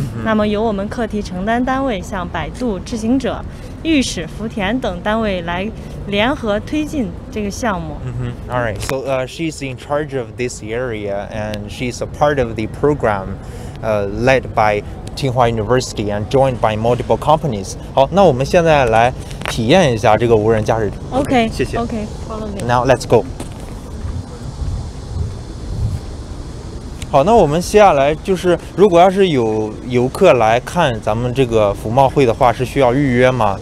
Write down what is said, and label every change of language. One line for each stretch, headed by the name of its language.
Chinese: 那么由我们课题承担单位像百度、智行者、御史、福田等单位来联合推进这个项目。
English: All right, so she's in charge of this area and she's a part of the program, led by Tsinghua University and joined by multiple companies.
Chinese: 好，那我们现在来体验一下这个无人驾驶。
English: OK,
Chinese: 谢谢。
English: OK, follow me. Now let's go.
Chinese: 好，那我们接下来就是，如果要是有游客来看咱们这个服贸会的话，是需要预约吗？